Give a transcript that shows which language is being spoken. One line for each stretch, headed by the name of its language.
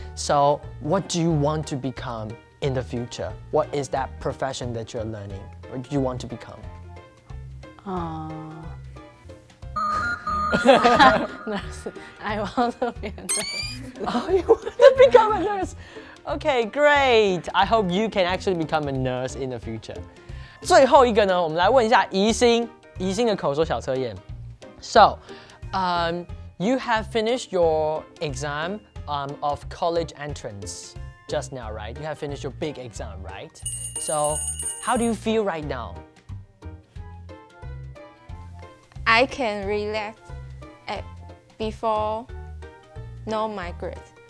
English: So, what do you want to become? In the future, what is that profession that you're learning, or do you want to become? I want to be a nurse. Oh, you want to become a nurse? Okay, great. I hope you can actually become a nurse in the future.
Chinese: 最后一个呢，我们来问一下宜兴，宜兴的口说小测验。
English: So, you have finished your exam of college entrance. Just now, right? You have finished your big exam, right? So, how do you feel right now? I can relax before know my grades.